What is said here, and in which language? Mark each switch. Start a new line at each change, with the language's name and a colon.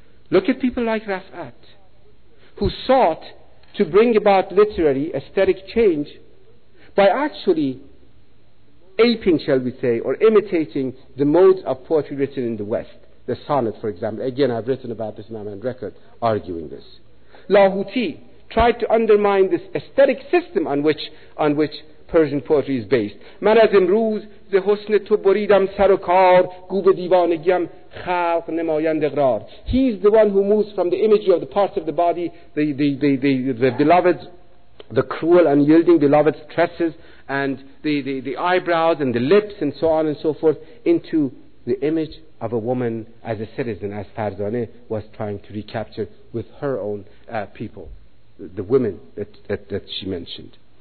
English: Look at people like Rafat, who sought to bring about literary aesthetic change by actually aping, shall we say, or imitating the modes of poetry written in the West. The sonnet, for example. Again, I've written about this and I'm on record arguing this. Lahuti tried to undermine this aesthetic system on which Persian poetry is based.
Persian: من از امروز ذ حسن تو بریدم سر و کار گو به دیوانگیم خلق نمایند اقرار.
English: He's the one who moves from the imagery of the parts of the body, the beloved, the cruel unyielding beloved tresses and the eyebrows and the lips and so on and so forth into the image of a woman as a citizen, as Farzaneh was trying to recapture with her own people, the women that she mentioned.